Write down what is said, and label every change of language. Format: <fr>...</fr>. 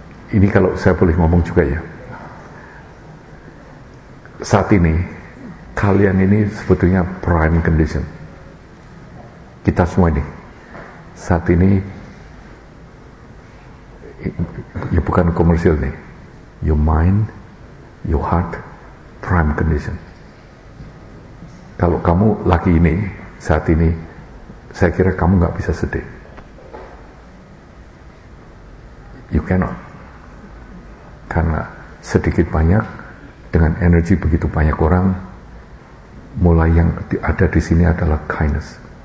<id>Ini kalau saya boleh ngomong juga ya. Saat ini kalian ini sebetulnya</id> <en>prime condition.</en> <id>Kita semua ini saat ini, ya bukan komersial nih.</id> <en>Your mind, your heart, prime condition.</en> <id>Kalau kamu lagi ini saat ini, saya kira kamu gak bisa sedih.</id> <en>You cannot.</en> <id>Karena sedikit banyak, dengan energi begitu banyak orang, mulai yang ada di sini adalah kindness.</id>